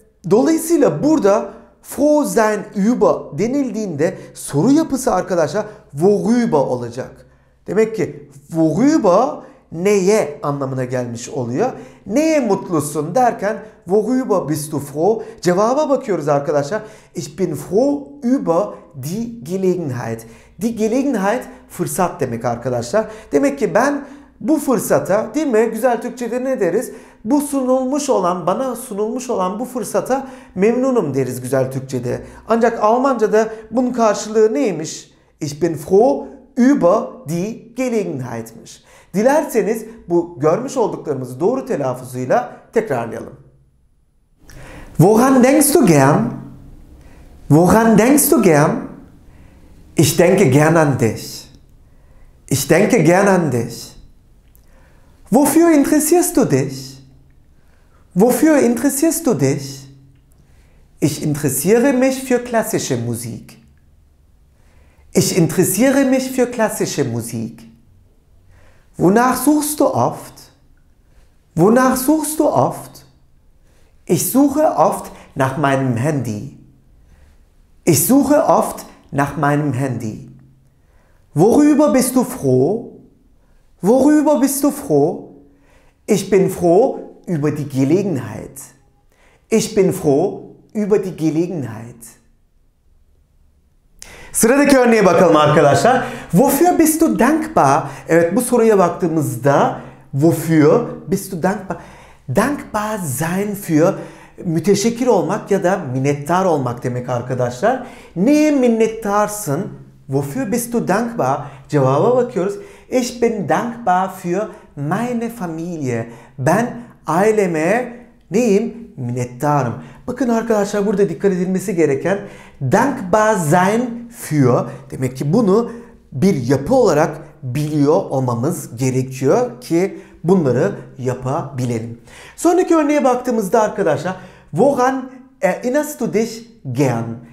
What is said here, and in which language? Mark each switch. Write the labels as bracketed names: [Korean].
[Turkish] Dolayısıyla burada froh sein über denildiğinde soru yapısı arkadaşlar worüber olacak. Demek ki worüber neye anlamına gelmiş oluyor. Neye mutlusun derken [German] worüber bist du froh? [Turkish] Cevaba bakıyoruz arkadaşlar. [German] Ich bin froh über die Gelegenheit. [Turkish] Die Gelegenheit fırsat demek arkadaşlar. Demek ki ben bu fırsata değil mi? Güzel Türkçe'de ne deriz? Bu sunulmuş olan, bana sunulmuş olan bu fırsata memnunum deriz güzel Türkçe'de. Ancak Almanca'da bunun karşılığı neymiş? [German] Ich bin froh über die Gelegenheit'miş. [Turkish] Dilerseniz bu görmüş olduklarımızı doğru telaffuzuyla tekrarlayalım. [German] Woran denkst du gern? Woran denkst du gern? Ich denke gern an dich. Ich denke gern an dich. Wofür interessierst du dich? Wofür interessierst du dich? Ich interessiere mich für klassische Musik. Ich interessiere mich für klassische Musik. Wonach suchst du oft? Wonach suchst du oft? Ich suche oft nach meinem Handy. Ich suche oft nach meinem Handy. Worüber bist du froh? Worüber bist du froh? Ich bin froh über die Gelegenheit. Ich bin froh über die Gelegenheit. [Turkish] Sıradaki örneğe bakalım arkadaşlar. [German] Wofür bist du dankbar? [Turkish] Evet, bu soruya baktığımızda [German] wofür bist du dankbar? [Turkish] Dankbar sein für müteşekkir olmak ya da minnettar olmak demek arkadaşlar. Neye minnettarsın? [German] Wofür bist du dankbar? [Turkish] Cevaba bakıyoruz. [German] Ich bin dankbar für meine Familie. [Turkish] Ben aileme neyim? Minnettarım. Bakın arkadaşlar, burada dikkat edilmesi gereken dankbar sein für, demek ki bunu bir yapı olarak biliyor olmamız gerekiyor ki bunları yapabilelim. Sonraki örneğe baktığımızda arkadaşlar, [German] woran erinnerst du dich gern?